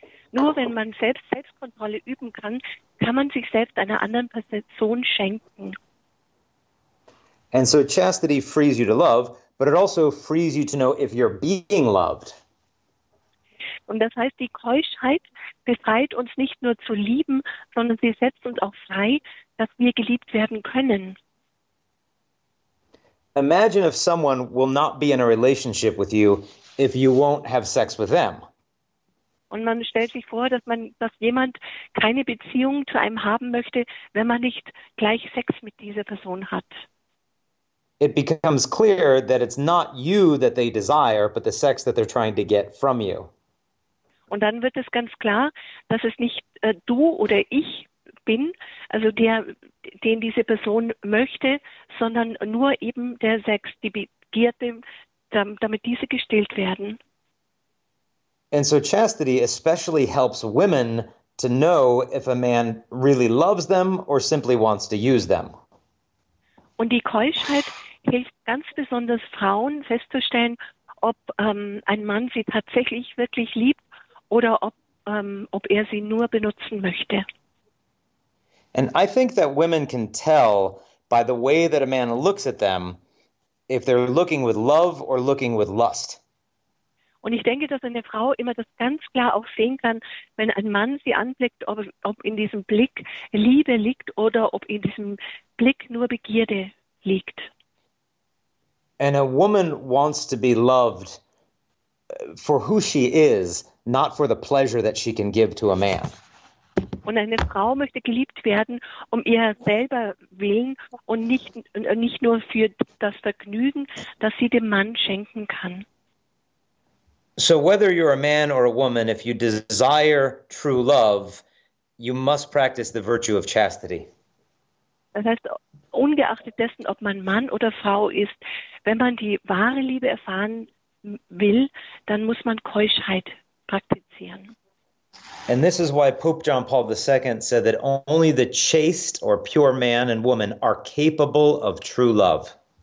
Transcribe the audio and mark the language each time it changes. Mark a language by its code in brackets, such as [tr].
[de] Nur wenn man Selbstkontrolle üben kann, kann man sich selbst einer anderen Person schenken. [en] And so chastity frees you to love, but it also frees you to know if you're being loved. [de] Und das heißt, die Keuschheit befreit uns nicht nur zu lieben, sondern sie setzt uns auch frei, dass wir geliebt werden können. [en] Imagine if someone will not be in a relationship with you if you won't have sex with them. [de] Und man stellt sich vor, dass jemand keine Beziehung zu einem haben möchte, wenn man nicht gleich Sex mit dieser Person hat. [en] It becomes clear that it's not you that they desire, but the sex that they're trying to get from you. [de] Und dann wird es ganz klar, dass es nicht du oder ich bin, also der, den diese Person möchte, sondern nur eben der Sex, die Begierde, damit diese gestillt werden. [en] And so chastity especially helps women to know if a man really loves them or simply wants to use them. [de] Und die Keuschheit hilft ganz besonders Frauen festzustellen, ob ein Mann sie tatsächlich wirklich liebt oder ob er sie nur benutzen möchte. [en] And I think that women can tell by the way that a man looks at them if they're looking with love or looking with lust. [de] Und ich denke, dass eine Frau immer das ganz klar auch sehen kann, wenn ein Mann sie anblickt, ob in diesem Blick Liebe liegt oder ob in diesem Blick nur Begierde liegt. [en] And a woman wants to be loved for who she is, not for the pleasure that she can give to a man. [de] Und eine Frau möchte geliebt werden, um ihr selber willen und nicht nur für das Vergnügen, das sie dem Mann schenken kann. [en] So whether you're a man or a woman, if you desire true love, you must practice the virtue of chastity. [de] Das heißt, ungeachtet dessen, ob man Mann oder Frau ist, wenn man die wahre Liebe erfahren will, dann muss man Keuschheit praktizieren. [en] And this is why Pope John Paul II said that only the chaste or pure man and woman are capable of true love.